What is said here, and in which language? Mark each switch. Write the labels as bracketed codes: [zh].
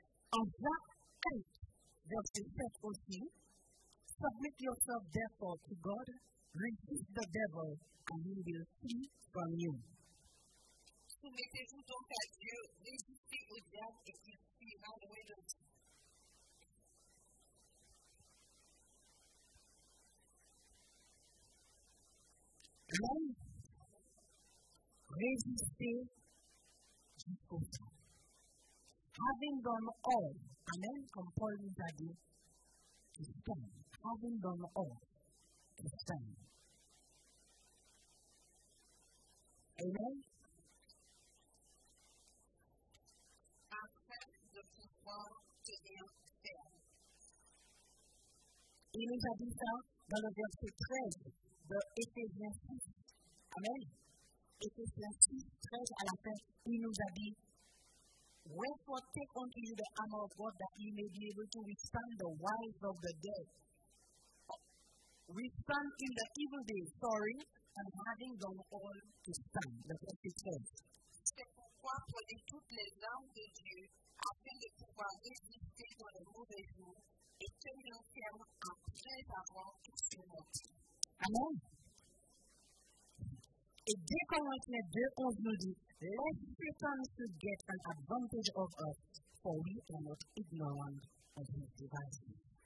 [fr] En Jacques 8, verset 7 aussi, [en] submit yourself therefore to God, resist the devil, and he will flee from you. [fr] Soumettez-vous donc à Dieu, résistez au diable et il fuira loin de vous. Amen. Résistez jusqu'au bout. [en] Having done all, [fr] amen, comme Paul nous a dit, [en] to stand. Having done all, to stand. Amen. [fr] Afin de pouvoir tenir ferme. Il nous a dit ça dans le verset 13 de Éphésiens 6. [en] Amen. [fr] Éphésiens 6, 13 à la fin, il nous a dit: [en] Wherefore take unto you the armor of God, that ye may be able to withstand the wiles of the day. Withstand in the evil day, sorry, and having done all to stand. That's what it says. [fr] C'est pourquoi prenez toutes les armes de Dieu, afin de pouvoir résister dans le mauvais jour, et tenir ferme après avoir tout surmonté. Amen. Et dès qu'on va mettre 2:11 nous dit: [en] Let Satan should get an advantage of us, for we are not ignorant of his devices.